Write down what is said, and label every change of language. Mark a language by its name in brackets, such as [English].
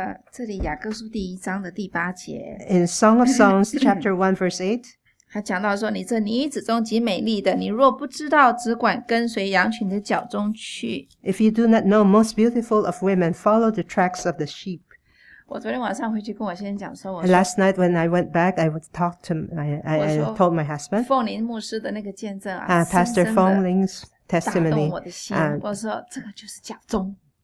[Chinese] 这里雅各书第一章的第八节。 [English] In Song of Songs, chapter 1, verse 8. [Chinese] 他讲到说你这女子中极美丽的你若不知道只管跟随羊群的脚中去。 [English] If you do not know most beautiful of women, follow the tracks of the sheep. [Chinese] 我昨天晚上回去跟我先生讲说我说 [English] Last night when I went back, I would talk to my, I told my husband. [Chinese] 凤林牧师的那个见证啊 [English] Pastor Fong Ling's testimony. [Chinese] 打动我的心我说这个就是脚中。